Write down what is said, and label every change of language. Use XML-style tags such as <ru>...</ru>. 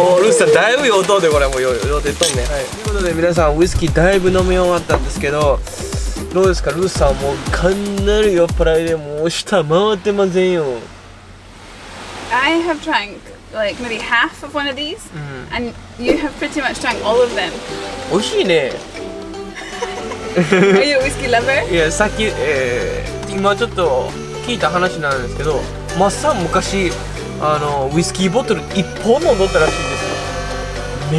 <ja>おー、ルースさん、だいぶ酔うで、これ。もう酔うて言っとんね。はい。ということで、皆さん、ウイスキーだいぶ飲み終わったんですけど、どうですか、ルースさん。もう、かなり酔っ払いで、もう、舌回ってませんよ。</ja> <en>I have drank. Like maybe half of one of these,、mm. and you have pretty much drank all of them.</en> <ja>おいしいね。</ja> <en>Are you a whiskey lover?</en> <ja>いや、さっき、今ちょっと聞いた話なんですけど、マッサン昔あのウイスキーボトル一本も飲んだらしいんですよ。</ja>